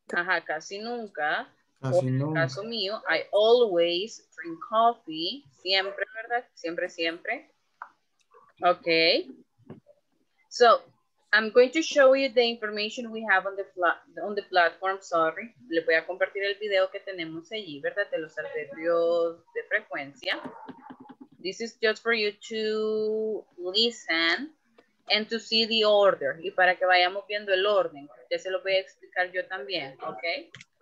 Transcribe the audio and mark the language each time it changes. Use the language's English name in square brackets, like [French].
[Spanish] Ajá, casi nunca. Casi o en el caso mío, [English] I always drink coffee. [Spanish] Siempre, ¿verdad? Siempre, siempre. [English] Okay. So, I'm going to show you the information we have on the platform, sorry. [Spanish] Le voy a compartir el video que tenemos allí, ¿verdad? De los adverbios de frecuencia. [English] This is just for you to listen and to see the order. [Spanish] Y para que vayamos viendo el orden. Ya se lo voy a explicar yo también, ¿ok?